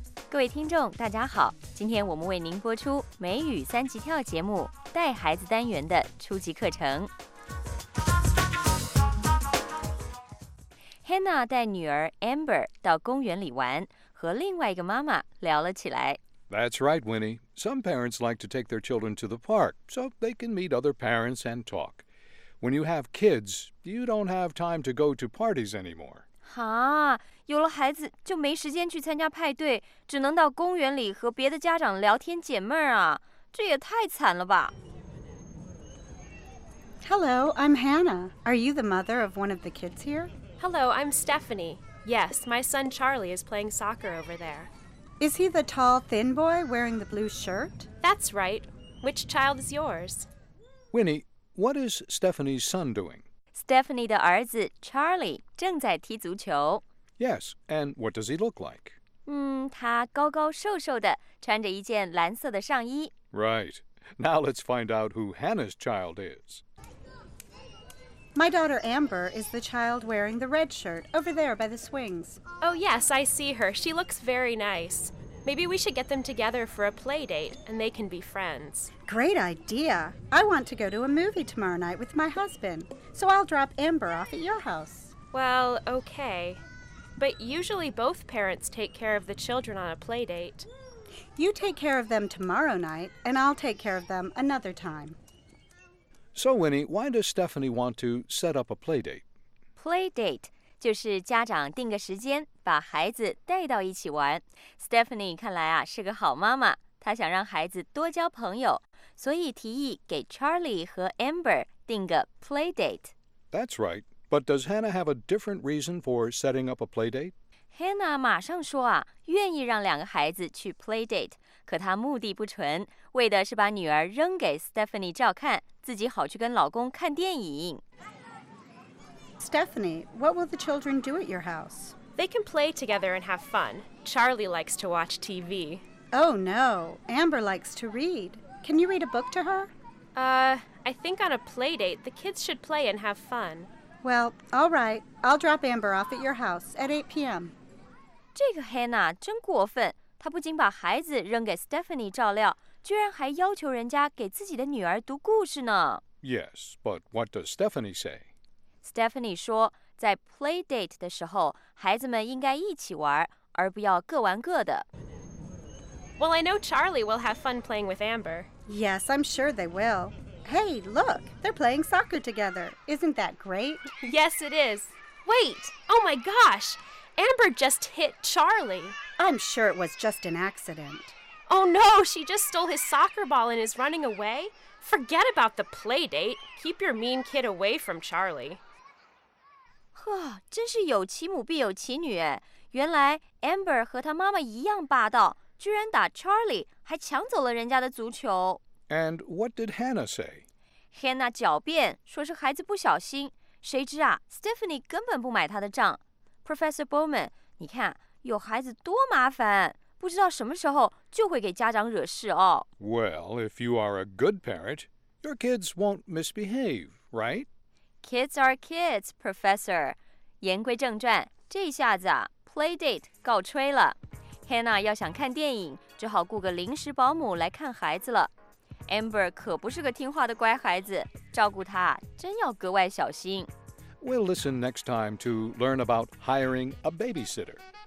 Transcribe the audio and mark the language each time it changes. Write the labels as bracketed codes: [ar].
[zh] 各位听众，大家好，今天我们为您播出《美语三级跳》节目带孩子单元的初级课程。 Hannah 带女儿 Amber 到公园里玩，和另外一个妈妈聊了起来。 [en] That's right, Winnie. Some parents like to take their children to the park so they can meet other parents and talk. When you have kids, you don't have time to go to parties anymore. [zh] 啊，有了孩子就没时间去参加派对，只能到公园里和别的家长聊天解闷啊，这也太惨了吧。 [en] Hello, I'm Hannah. Are you the mother of one of the kids here? Hello, I'm Stephanie. Yes, my son Charlie is playing soccer over there. Is he the tall, thin boy wearing the blue shirt? That's right. Which child is yours? Winnie, what is Stephanie's son doing? [zh] Stephanie 的儿子 Charlie 正在踢足球。 [en] Yes, and what does he look like? [zh] 他高高瘦瘦的，穿着一件蓝色的上衣。 [en] Right. Now let's find out who Hannah's child is. My daughter Amber is the child wearing the red shirt over there by the swings. Oh yes, I see her. She looks very nice. Maybe we should get them together for a play date and they can be friends. Great idea. I want to go to a movie tomorrow night with my husband, so I'll drop Amber off at your house. Well, okay. But usually both parents take care of the children on a play date. You take care of them tomorrow night and I'll take care of them another time. So, Winnie, why does Stephanie want to set up a play date? [zh] Play date 就是家长定个时间，把孩子带到一起玩。 Stephanie 看来啊是个好妈妈，她想让孩子多交朋友，所以提议给 Charlie 和 Amber 定个 play date. [en] That's right. But does Hannah have a different reason for setting up a play date? [zh] Hannah 马上说啊，愿意让两个孩子去 play date， 可她目的不纯，为的是把女儿扔给 Stephanie 照看。自己好去跟老公看电影。 [en] Stephanie, what will the children do at your house? They can play together and have fun. Charlie likes to watch TV. Oh no, Amber likes to read. Can you read a book to her? I think on a play date, the kids should play and have fun. Well, all right, I'll drop Amber off at your house at 8 p.m. [zh] 这个 Hannah 真过分，她不仅把孩子扔给 Stephanie 照料，居然还要求人家给自己的女儿读故事呢。 [en] Yes, but what does Stephanie say? [zh] Stephanie 说，在 play date 的时候，孩子们应该一起玩，而不要各玩各的。 [en] Well, I know Charlie will have fun playing with Amber. Yes, I'm sure they will. Hey, look, they're playing soccer together. Isn't that great? Yes, it is. Wait, oh my gosh, Amber just hit Charlie. I'm sure it was just an accident. Oh no, she just stole his soccer ball and is running away? Forget about the play date. Keep your mean kid away from Charlie. [zh] 呵，真是有其母必有其女哎。原来 Amber 和她妈妈一样霸道，居然打 Charlie， 还抢走了人家的足球。 [en] And what did Hannah say? [zh] Hannah 狡辩，说是孩子不小心。谁知啊， Stephanie 根本不买她的账。 Professor Bowman， 你看，有孩子多麻烦。不知道什么时候就会给家长惹事哦。 [en] Well, if you are a good parent, your kids won't misbehave, right? Kids are kids, Professor. [zh] 言归正传，这下子啊 play date 告吹了。 Hannah 要想看电影，只好雇个临时保姆来看孩子了。 Amber 可不是个听话的乖孩子，照顾她真要格外小心。 [en] We'll listen next time to learn about hiring a babysitter.